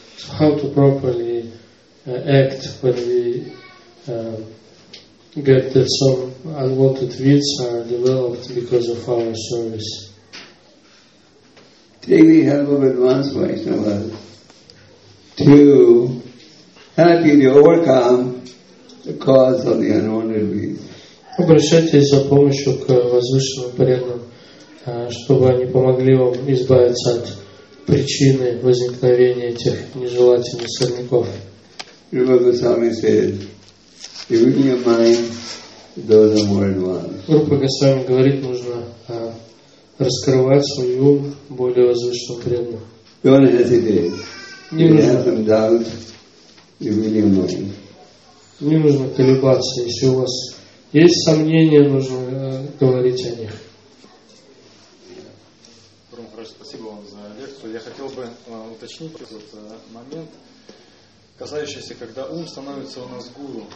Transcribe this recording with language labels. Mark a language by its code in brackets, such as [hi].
[en] So how to properly act when we get that some unwanted weeds are developed because of our service? Take the help of advanced Vaishnavas to help you to overcome the cause of the unwanted weeds. [ru] Обращайтесь за помощью к возвышенным преданным, чтобы они помогли вам избавиться от причины возникновения этих нежелательных сорняков. [en] Rupa Goswami said, if in your mind those are more advanced. [ru] Rupa Goswami говорит, нужно раскрывать свой ум более возвышенным преданным. [en] Don't hesitate. If you have some doubt, if in your mind. [ru] Не нужно колебаться. Если у вас есть сомнения, нужно говорить о них. Спасибо вам за лекцию. Я хотел бы уточнить этот момент, касающийся, когда ум становится у нас гуру.